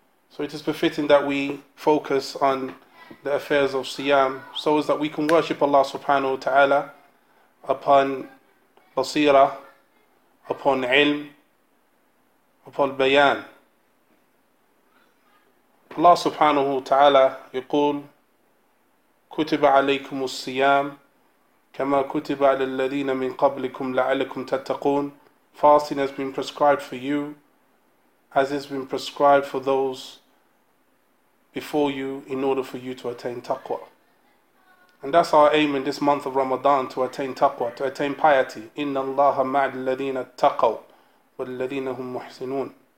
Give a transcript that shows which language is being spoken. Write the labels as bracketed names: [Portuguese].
[English] So it is befitting that we focus on the affairs of Siyam so as that we can worship Allah subhanahu wa ta'ala upon basira, upon ilm, upon bayan. [Arabic] Allah subhanahu wa ta'ala يقول كُتِبَ عَلَيْكُمُ السِّيَامُ كَمَا كُتِبَ عَلَى الَّذِينَ مِنْ قَبْلِكُمْ لَعَلَكُمْ تَتَّقُونَ. [English] Fasting has been prescribed for you as it's been prescribed for those before you in order for you to attain taqwa. And that's our aim in this month of Ramadan, to attain taqwa, to attain piety. [Arabic] إِنَّ اللَّهَ مَعَ الَّذِينَ اتَّقَوْا وَالَّذِينَ هُمْ مُحْسِنُونَ.